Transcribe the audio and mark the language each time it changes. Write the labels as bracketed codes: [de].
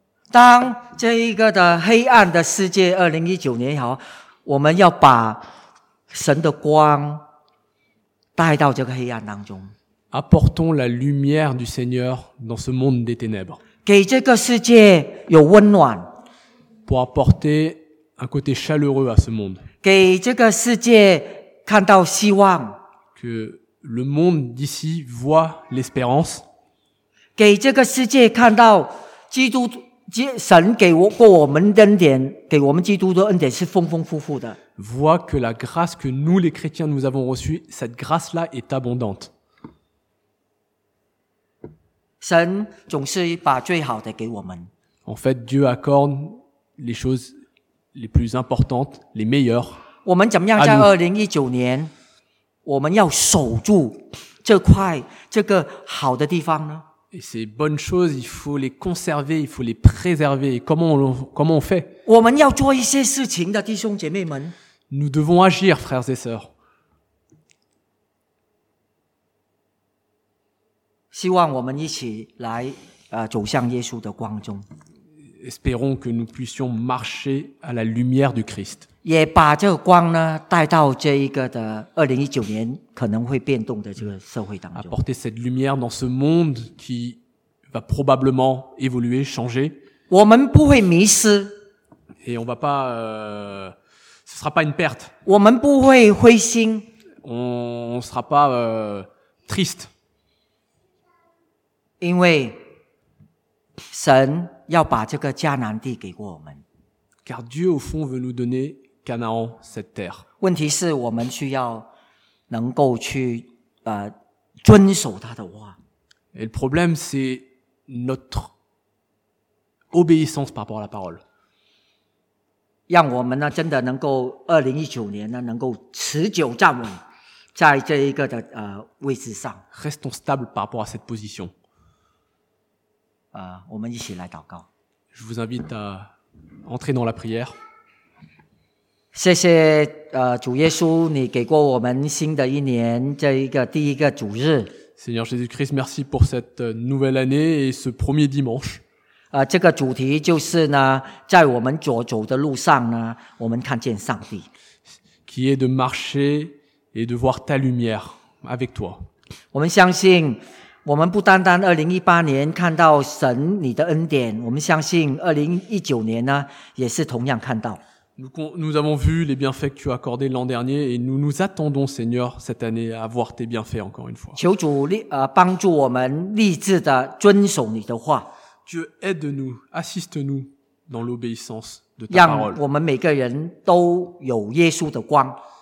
[fr] Dans ce que de [zh] 黑暗的世界2019年好，我们要把神的光带到这个黑暗当中。 [fr] Apportons la lumière du Seigneur dans ce monde des ténèbres. [zh] 给这个世界有温暖。 [fr] Pour apporter un côté chaleureux à ce monde. [zh] 给这个世界看到希望。 [fr] Que le monde d'ici voit l'espérance. [zh] 给这个世界看到基督，神给过我们的恩典，给我们基督的恩典是丰丰富富的。 [fr] Vois que la grâce que nous, les chrétiens, nous avons reçue, cette grâce-là est abondante. [zh] 神总是把最好的给我们。 [fr] En fait, Dieu accorde les choses les plus importantes, les meilleures. [zh] 我们怎么样在2019年，我们要守住这块这个好的地方呢？ [fr] Et ces bonnes choses, il faut les conserver, il faut les préserver. Comment on fait? [zh] 我们要做一些事情的，弟兄姐妹们。 [fr] Nous devons agir, frères et sœurs. [zh] 希望我们一起来走向耶稣的光中。 [fr] Espérons que nous puissions marcher à la lumière du Christ. [zh] 也把这个光呢带到这一个的2019年可能会变动的这个社会当中。 [fr] Apporter cette lumière dans ce monde qui va probablement évoluer, changer. [zh] 我们不会迷失。 [fr] Et on va pas, ce sera pas une perte. [zh] 我们不会灰心。 [fr] On sera pas, triste. [zh] 因为神要把这个迦南地给过我们。 [fr] Car Dieu au fond veut nous donner Canaan, cette terre. [zh] 问题是我们需要能够去遵守他的话。 [fr] Et le problème c'est notre obéissance par rapport à la parole. [zh] 让我们呢真的能够2019年呢能够持久站稳在这一个的位置上。 [fr] Restons stables par rapport à cette position. [zh] 我们一起来祷告。 [fr] Je vous invite à entrer dans la prière. [zh] 谢谢主耶稣，你给过我们新的一年这一个第一个主日。 [fr] Seigneur Jésus-Christ, merci pour cette nouvelle année et ce premier dimanche. [zh] 这个主题就是呢，在我们所走的路上呢，我们看见上帝。 [fr] Qui est de marcher et de voir ta lumière avec toi. [zh] 我们相信我们不单单2018年看到神你的恩典，我们相信2019年呢也是同样看到。 [fr] Nous avons vu les bienfaits que tu as accordés l'an dernier et nous attendons, Seigneur, cette année à voir tes bienfaits encore une fois. [zh] 求主帮助我们立志的遵守你的话。 [fr] Dieu aide-nous, assiste-nous dans l'obéissance de ta [zh] 让 [fr] parole. [zh] 让我们每个人都有耶稣的光。